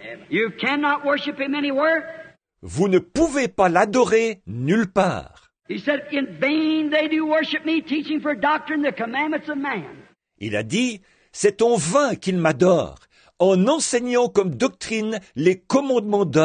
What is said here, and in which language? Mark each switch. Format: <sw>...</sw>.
<en>You cannot worship him anywhere.</en> <fr>Vous ne pouvez pas l'adorer nulle part.</fr> <en>He said, in vain they do worship me, teaching for doctrine the commandments of man.</en> <fr>Il a dit, c'est en vain qu'ils m'adorent, en enseignant comme doctrine les commandements</fr>